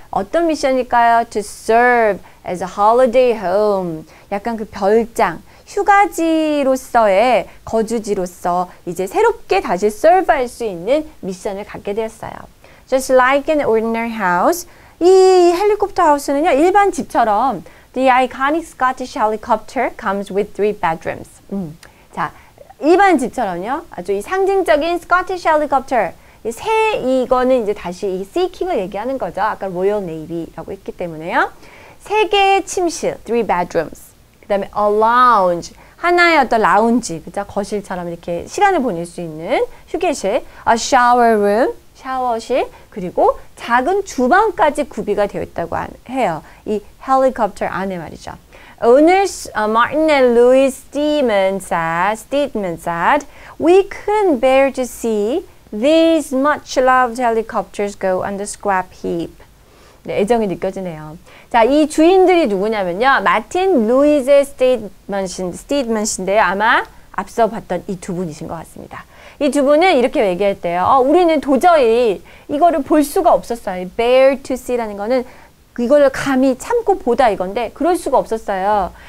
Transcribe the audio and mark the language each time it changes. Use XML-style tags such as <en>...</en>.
<ko>어떤 미션일까요?</ko> <en>To serve as a holiday home.</en> <ko>약간 그 별장, 휴가지로서의 거주지로서 이제 새롭게 다시 serve할 수 있는 미션을 갖게 되었어요.</ko> <en>Just like an ordinary house.</en> <ko>이 헬리콥터 하우스는요. 일반 집처럼</ko> <en>The iconic Scottish helicopter comes with three bedrooms.</en> <ko>자, 일반 집처럼요. 아주 이 상징적인 Scottish helicopter. 새 이거는 이제 다시 이 seeking을 얘기하는 거죠. 아까 Royal Navy라고 했기 때문에요. 세 개의 침실, three bedrooms. 그 다음에 a lounge, 하나의 어떤 라운지, 그죠? 거실처럼 이렇게 시간을 보낼 수 있는 휴게실, a shower room, 샤워실, 그리고 작은 주방까지 구비가 되어 있다고 해요. 이 helicopter 안에 말이죠.</ko> <en>Owners Martin and Louis Steedman said, we couldn't bear to see these much-loved helicopters go on the scrap heap.</en> <ko>네, 애정이 느껴지네요. 자, 이 주인들이 누구냐면요. Martin, Louis의 Steedman인데요. 아마 앞서 봤던 이 두 분이신 것 같습니다. 이 두 분은 이렇게 얘기했대요. 우리는 도저히 이거를 볼 수가 없었어요. Bear to see라는 거는 이거를 감히 참고 보다 이건데 그럴 수가 없었어요.</ko>